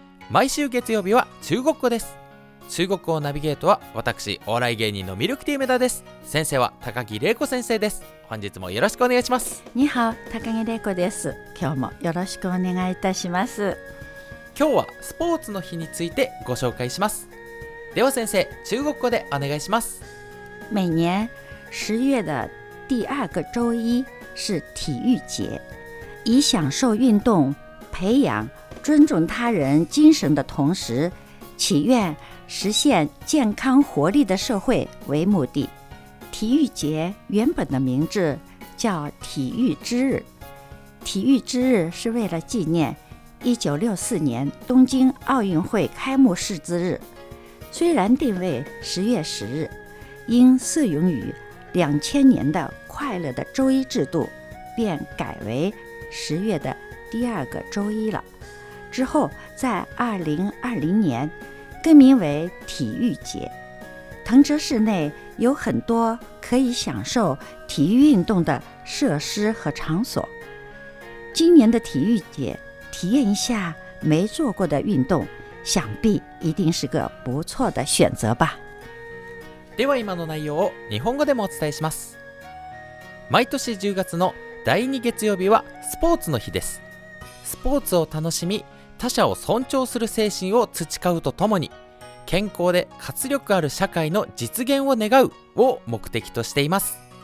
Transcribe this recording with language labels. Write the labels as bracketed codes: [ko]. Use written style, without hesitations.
[ja] 毎週月曜日は中国語です。中国語ナビゲートは私お笑い芸人のミルクティー梅田です。先生は高木玲子先生です。本日もよろしくお願いします。ニハオ、高木玲子です。今日もよろしくお願いいたします。今日はスポーツの日についてご紹介します。では先生、中国語でお願いします。 [zh] 每年十月的第二个周一是体育节，以享受运动、培养尊重他人精神的同时，祈愿实现健康活力的社会为目的。体育节原本的名字叫体育之日，体育之日是为了纪念1964年东京奥运会开幕式之日。虽然定为十月十日，因适用于2000年的快乐的周一制度，便改为十月的第二个周一了。之后在2020年更名为体育节。藤泽市内有很多可以享受体育运动的设施和场所。今年的体育节，体验一下没做过的运动，想必一定是个不错的选择吧。 [ja] では今の内容を日本語でもお伝えします。毎年10月の第2月曜日はスポーツの日です。スポーツを楽しみ、他者を尊重する精神を培うとともに、健康で活力ある社会の実現を願うを目的としています。